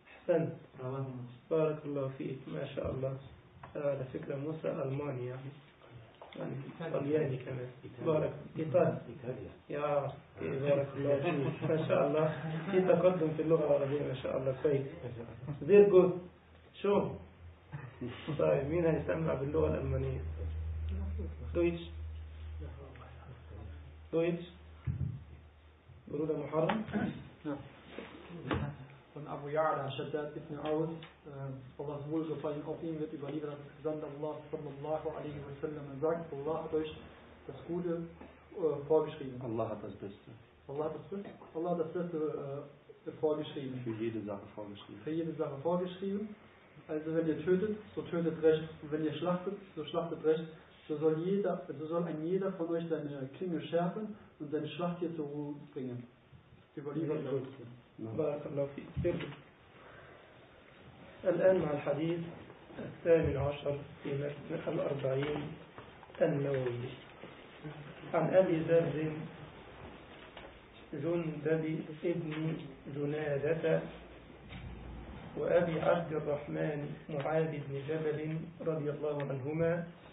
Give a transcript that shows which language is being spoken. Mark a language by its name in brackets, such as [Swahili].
[Arabic] أحسنت، بارك الله فيك، ما شاء الله. على فكرة موسى ألماني، يعني كمان بارك إيطاليا، يا بارك الله فيك، ما شاء الله، في تقدم في اللغة العربية ما شاء الله. كويس، [English] Very good. [Arabic] شو طيب، مين هيسمع باللغة الألمانية؟ Deutsch. [German] Bruder Muharram. Ja. Von Abu Ya'la Shaddad ibn Aus, Allahs Wohlgefallen auf ihn wird überliefert, dass Gesandter Allah sallallahu alaihi wa sallam sagt, Allah hat euch das Gute vorgeschrieben. Allah hat das Beste. Allah hat das Beste vorgeschrieben. Für jede Sache vorgeschrieben. Also wenn ihr tötet, so tötet recht. Und wenn ihr schlachtet, so schlachtet recht. So soll ein jeder von euch seine Klinge schärfen und seine Schlacht hier zur Ruhe bringen. [Arabic] الآن مع الحديث الثامن عشر في متن الأربعين النووي عن أبي ذر جندب ابن جنادة وأبي عبد الرحمن معاذ بن جبل رضي الله عنهما